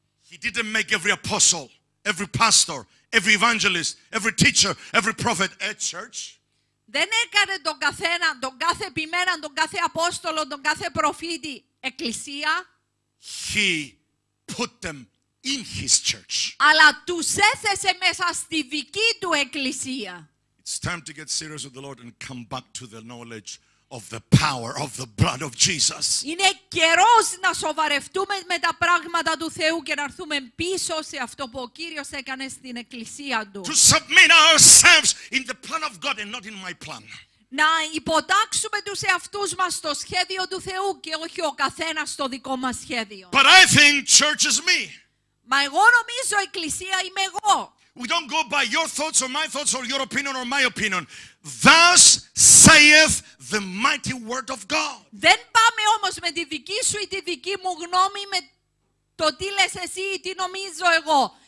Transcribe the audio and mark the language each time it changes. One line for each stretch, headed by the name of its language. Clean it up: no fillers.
English: He didn't make every apostle, every pastor, every evangelist, every teacher, every prophet a church.
Greek: Δεν έκανε τον καθένα, τον κάθε επιμέναν, τον κάθε απόστολο, τον κάθε προφήτη εκκλησία.
English: He put them in his church.
Greek: Αλλά τους έθεσε μέσα στη δική του εκκλησία.
English: It's time to get serious with the Lord and come back to the knowledge of the power of the blood of Jesus.
Greek: Είναι καιρός να σοβαρευτούμε με τα πράγματα του Θεού και να έρθουμε πίσω σε αυτό που ο Κύριος έκανε στην εκκλησία του.
English: To submit ourselves in the plan of God and not in my plan.
Greek: Να υποτάξουμε τους εαυτούς μας στο σχέδιο του Θεού και όχι ο καθένας στο δικό μας σχέδιο.
English: But I think church is me.
Greek: Μα εγώ νομίζω εκκλησία είμαι εγώ.
English: We don't go by your thoughts or my thoughts or your opinion or my opinion. Thus saith the mighty word of God.
Greek: Δεν πάμε όμως με τη δική σου ή τη δική μου γνώμη, με το τι λες εσύ ή τι νομίζω εγώ.